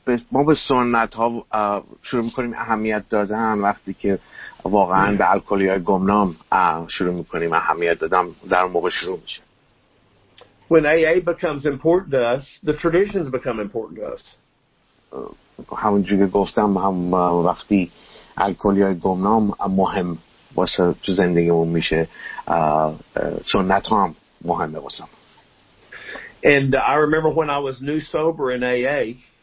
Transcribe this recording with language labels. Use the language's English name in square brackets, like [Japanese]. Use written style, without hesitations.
[Persian] ما به سنت ها شروع میکنیم اهمیت دادن وقتی که واقعا به الکلی های گمنام شروع میکنیم اهمیت دادن در موقع شروع میشه. [English] When AA becomes important to us, the traditions become important to us. [Persian] همون جوری گفتم هم وقتی الکلی های گمنام مهم واسه تو زندگیمون میشه سنت ها هم مهمه واسه. [English] And I remember when I was new sober in AA.